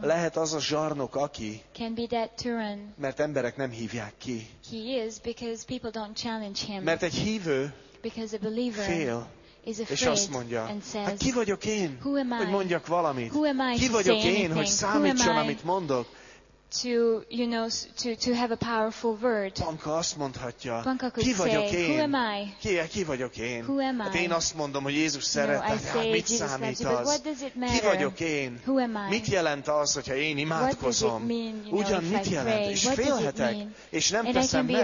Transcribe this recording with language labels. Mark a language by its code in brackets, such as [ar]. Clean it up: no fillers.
[hu] lehet az a zsarnok, aki [en] can be that tyrann, [hu] mert emberek nem hívják ki. [en] He is because people don't challenge him. [hu] Mert egy hívő [en] because a believer [hu] fél. [en] Is afraid [hu] és azt mondja, [en] and says, [hu] hát ki vagyok én, [en] who am I? [hu] Hogy mondjak valamit? [en] Who am I [hu] ki vagyok [en] to say [hu] én, [en] anything? [hu] Hogy számítson, amit mondok? [en] To, you know, to have a powerful word. [hu] Panka azt mondhatja, [en] Panka could [hu] ki vagyok [en] say, [hu] én? [en] Who am I? [hu] Ki vagyok én? [en] Who am I? [hu] Hát én azt mondom, hogy Jézus szeretett, [en] no, [hu] hát mit számít az? Ki vagyok én? [en] Who am I? [hu] Mit jelent az, hogyha én imádkozom? [en] Mean, you know, [hu] ugyan mit jelent? És félhetek, és nem teszem meg,